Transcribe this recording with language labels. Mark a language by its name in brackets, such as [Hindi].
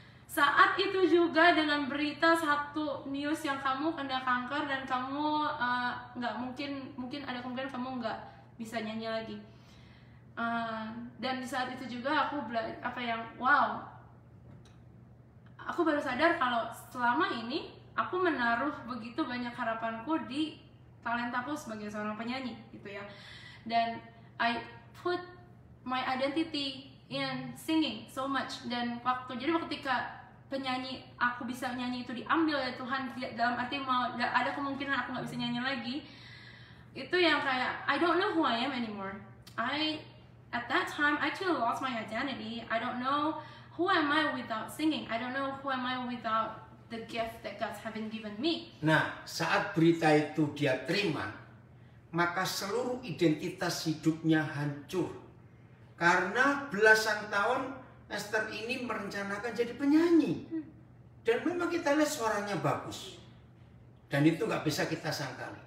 [Indonesian] Saat itu juga dengan berita satu news yang kamu kena kanker dan kamu nggak mungkin ada kemungkinan kamu nggak bisa nyanyi lagi. Dan di saat itu juga aku apa yang wow, aku baru sadar kalau selama ini aku menaruh begitu banyak harapanku di talentaku sebagai seorang penyanyi gitu ya. Dan [English] I put my identity in singing so much. [Indonesian] Dan waktu, jadi ketika penyanyi aku bisa nyanyi itu diambil oleh Tuhan, dalam arti mau ada kemungkinan aku gak bisa nyanyi lagi, itu yang kayak [English] I don't know who I am anymore. At that time, I actually lost my identity. I don't know who am I without singing. I don't know who am I without the gift that God has given me. [Indonesian] Nah, saat berita itu dia terima, maka seluruh identitas hidupnya hancur. Karena belasan tahun Esther ini merencanakan jadi penyanyi. Dan memang kita lihat suaranya bagus. Dan itu gak bisa kita sangkali.